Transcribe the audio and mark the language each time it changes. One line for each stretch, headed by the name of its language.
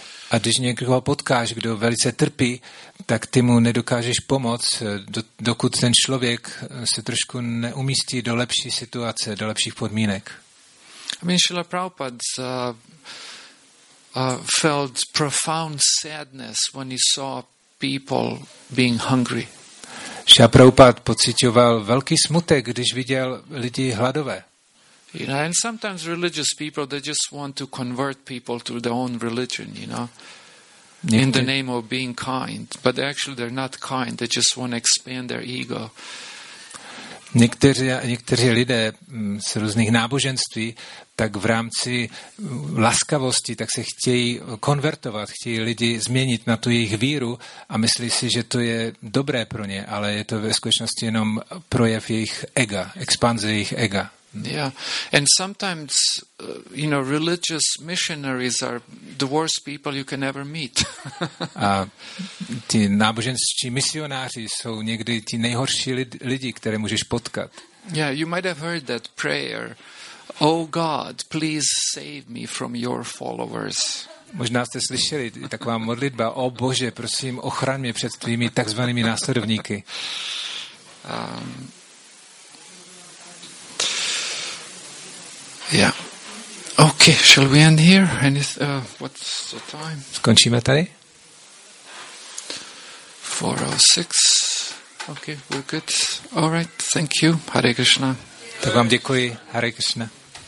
Czech: A když někoho potkáš, kdo velice trpí, tak ty mu nedokážeš pomoct, dokud ten člověk se trošku neumístí do lepší situace, do lepších podmínek.
English: I mean, Srila Prabhupada felt profound sadness when he saw people being hungry.
Czech: Srila Prabhupada pocitoval velký smutek, když viděl lidi hladové.
English: You know, and sometimes religious people, they just want to convert people to their own religion, you know, in the name of being kind. But actually, they're not kind. They just want to expand their ego.
Czech: Někteří lidé z různých náboženství, tak v rámci laskavosti, tak se chtějí konvertovat, chtějí lidi změnit na tu jejich víru a myslí si, že to je dobré pro ně, ale je to ve skutečnosti jenom projev jejich ega, expanze jejich ega.
English: Yeah, and sometimes, you know, religious missionaries are the worst people you can ever meet.
Czech: A ti náboženští misionáři jsou někdy ti nejhorší lidi, které můžeš potkat.
English: Yeah, you might have heard that prayer, "Oh God, please save me from your followers."
Czech: Možná jste slyšeli taková modlitba, "O Bože, prosím, ochraň mě před tvými takzvanými následovníky."
English: Yeah. Okay, shall we end here? What's the time?
Czech: Skončíme tady?
English: 4:06. Okay, we're good. All right, thank you. Hare Krishna.
Czech: Tak vám děkuji. Hare Krishna.